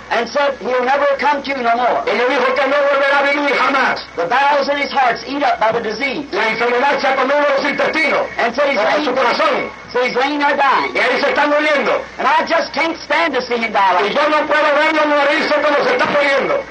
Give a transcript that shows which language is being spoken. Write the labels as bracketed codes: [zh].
[en] And said, he'll never come to you no more. [es] Y le dijo que no volverá a venir jamás. [en] The bowels in his heart's eat up by the disease. [es] La enfermedad se ha comido los intestinos. [en] And said he's laying [es] su corazón. [en] So he's laying there dying. [es] Y ahí se está muriendo. [en] And I just can't stand to see him die like that. [es] Y yo no puedo verlo morirse cuando se está muriendo.